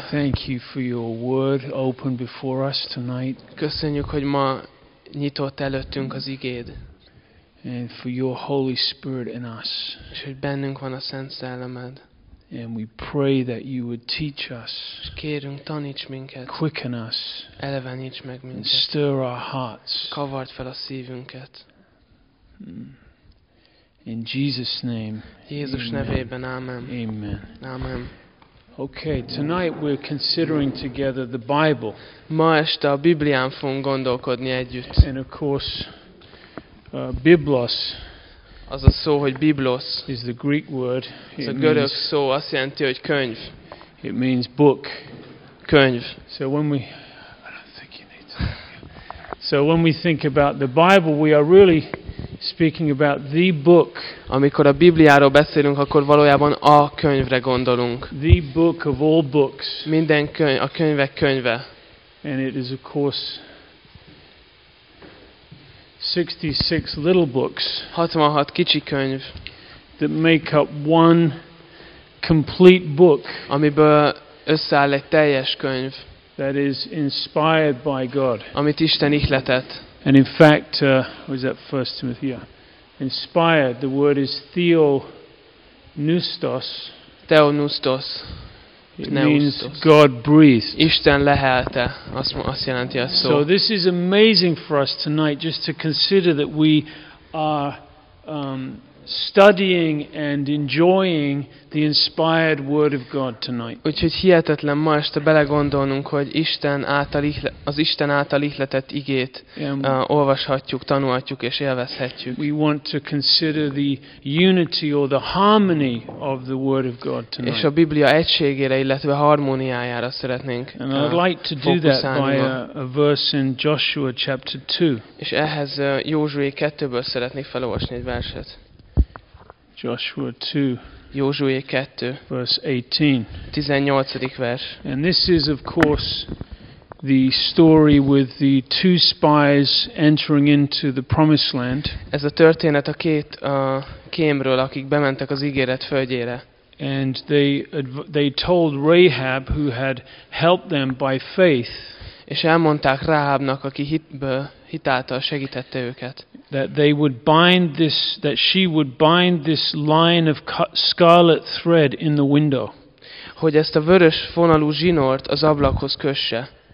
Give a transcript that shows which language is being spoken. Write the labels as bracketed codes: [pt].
[en] Thank you for your word open before us tonight. [hu] Köszönjük, hogy ma nyitott előttünk az igéd. [en] And for your Holy Spirit in us. [hu] És hogy bennünk van a Szent Szellemed. [en] And we pray that you would teach us. [hu] És kérünk, taníts minket. [en] Quicken us. [hu] Eleveníts meg minket. [en] And stir our hearts. [hu] Kavard fel a szívünket. [en] In Jesus' name. [hu] Jézus nevében, amen. [en] Amen. [hu] Amen. [en] Okay, tonight we're considering together the Bible. [hu] Ma este a Biblián fogunk gondolkodni együtt. [en] And of course, Biblos. [hu] Az a szó, hogy Biblos. [en] Is the Greek word. [hu] Ez a görög szó, azt jelenti, hogy könyv. [en] It means book. [hu] Könyv. [en] So when we think about the Bible, we are really speaking about the book. [hu] Amikor a Bibliáról beszélünk, akkor valójában a könyvre gondolunk. [en] The book of all books. [hu] Minden könyv, a könyvek könyve. [en] And it is of course 66 little books. [hu] 66 kicsi könyv. [en] That make up one complete book. [hu] Amiből összeáll egy teljes könyv. [en] That is inspired by God. [hu] Amit Isten ihletett. [en] And in fact, was that 1 Timothy? Yeah. Inspired. The word is theonoustos. Theonoustos. It pneustos. Means God breathed. [hu] Isten lehelte. Azt jelenti a szó. [en] So this is amazing for us tonight, just to consider that we are studying and enjoying the inspired word of God tonight. [hu] Úgyhogy hihetetlen ma este belegondolnunk, hogy Isten által ihletett igét olvashatjuk, tanulhatjuk és élvezhetjük. [en] We want to consider the unity or the harmony of the word of God tonight. [hu] És a Biblia egységére, illetve harmóniájára szeretnénk fókuszálni. [en] I'd like to do that by a verse in Joshua chapter 2. [hu] És ehhez Józsué 2-ből szeretnék felolvasni egy verset. [en] Joshua 2, [hu] Józsué 2, [en] verse 18. [hu] 18. vers. [en] And this is of course the story with the two spies entering into the promised land. [hu] Ez a történet a két kémről, akik bementek az ígéret földjére. [en] And they told Rahab, who had helped them by faith. [hu] És elmondták Ráhábnak, aki hitáltal segítette őket. [en] That they would bind this, that she would bind this line of scarlet thread in the window. [hu] Hogy ezt a vörös vonalú zsinort az ablakhoz kösse.